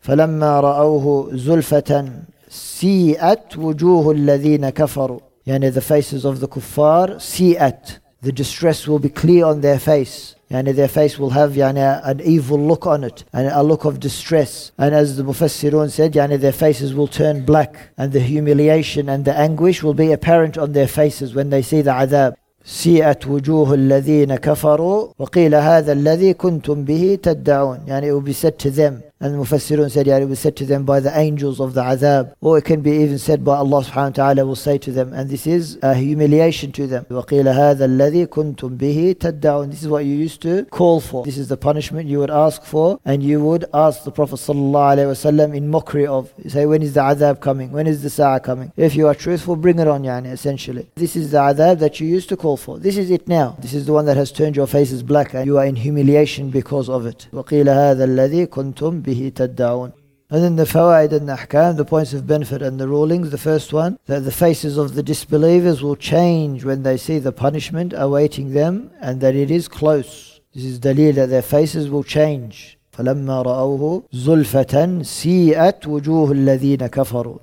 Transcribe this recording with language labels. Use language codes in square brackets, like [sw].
[ar] فَلَمَّا رَأَوْهُ زُلْفَةً سِيئَتْ وُجُوهُ الَّذِينَ كَفَرُوا, [en] يعني the faces of the kuffar, سِيئَتْ, the distress will be clear on their face. يعني their face will have يعني an evil look on it, and a look of distress. And as the Mufassirun said, يعني their faces will turn black, and the humiliation and the anguish will be apparent on their faces when they see the عذاب. [ar] سيئت وجوه الذين كفروا وقيل هذا الذي كنتم به تدعون. [en] يعني it will be said to them. And the Mufassirun said, يعني it will be said to them by the angels of the عذاب. Or it can be even said by Allah subhanahu wa ta'ala will say to them. And this is a humiliation to them. [ar] وقيل هذا الذي كنتم به تدعون. [en] This is what you used to call for. This is the punishment you would ask for. And you would ask the Prophet sallallahu alayhi wa sallam in mockery of. You say, when is the عذاب coming? When is the sa'ah coming? If you are truthful, bring it on, يعني essentially. This is the عذاب that you used to call for. This is it now. This is the one that has turned your faces black and you are in humiliation because of it. [ar] وقيل هذا الذي كنتم به تدعون. [en] And then the fawaid and the ahkam, the points of benefit and the rulings. The first one, that the faces of the disbelievers will change when they see the punishment awaiting them and that it is close. This is dalil that their faces will change. [ar] فَلَمَّا رَأَوْهُ زُلْفَةً سِيئَتْ وُجُوهُ الَّذِينَ كَفَرُوا.